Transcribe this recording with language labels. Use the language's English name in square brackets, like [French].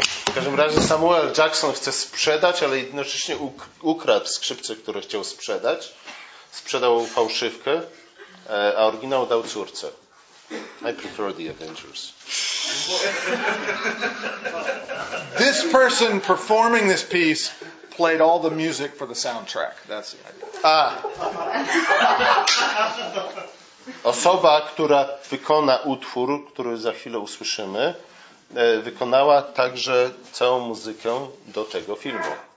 [Polish] W każdym razie Samuel Jackson chce sprzedać, ale jednocześnie ukradł skrzypce, które chciał sprzedać. Sprzedał fałszywkę, a oryginał dał córce. [English] I prefer the Avengers. This person performing this piece played all the music for the soundtrack. That's the idea. A. [Polish] Osoba, która wykona utwór, który za chwilę usłyszymy, wykonała także całą muzykę do tego filmu.